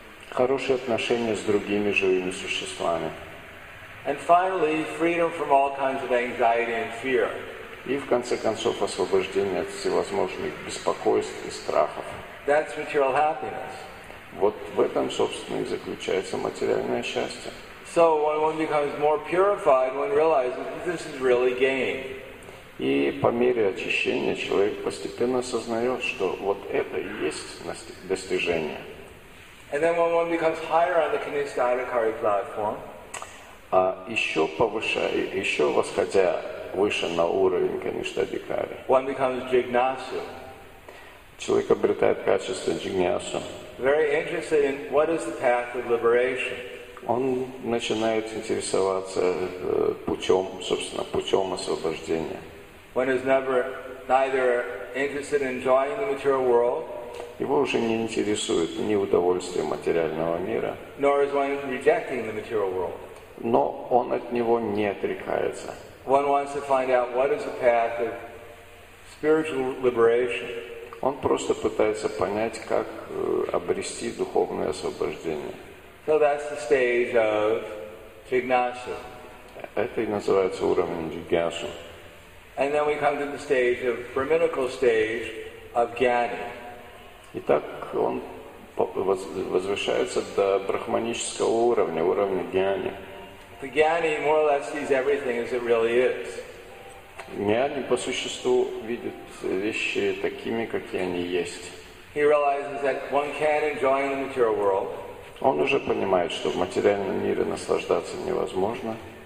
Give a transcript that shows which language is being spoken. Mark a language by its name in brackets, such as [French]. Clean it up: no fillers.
[Russian] Хорошие отношения с другими живыми существами. [English] And finally, freedom from all kinds of anxiety and fear. [Russian] И в конце концов освобождение от всевозможных беспокойств и страхов. [English] That's material happiness. [Russian] Вот в этом, собственно, и заключается материальное счастье. [English] So when one becomes more purified, one realizes that this is really gain. [Russian] И по мере очищения человек постепенно осознает, что вот это и есть достижение. [English] And then when one becomes higher on the Kanishka Adhikari platform, [Russian] а еще повышая, еще восходя выше на уровень Kanishka Adhikari, [English] one becomes Jignasu. [Russian] Человек обретает качество джигьясу. [English] Very interested in what is the path of liberation. [Russian] Он начинает интересоваться путем, собственно, путем освобождения. [English] One is never neither interested in enjoying the material world. [Russian] Его уже не интересует ни удовольствие материального мира. [English] Nor is one rejecting the material world. [Russian] Но он от него не отрекается. [English] One wants to find out what is the path of spiritual liberation. [Russian] Он просто пытается понять, как обрести духовное освобождение. [English] So that's the stage of jignasu. [Russian] Это и называется уровнем джигьясу. [English] And then we come to the stage of brahminical stage of jnani. [Russian] Итак, он возвышается до брахманического уровня, уровня джняни. [English] The jnani more or less sees everything as it really is. [Russian] Джняни по существу видит вещи такими, какие они есть. [English] He realizes that one can enjoy the material world. [Russian] Он уже понимает, что в материальном мире наслаждаться невозможно.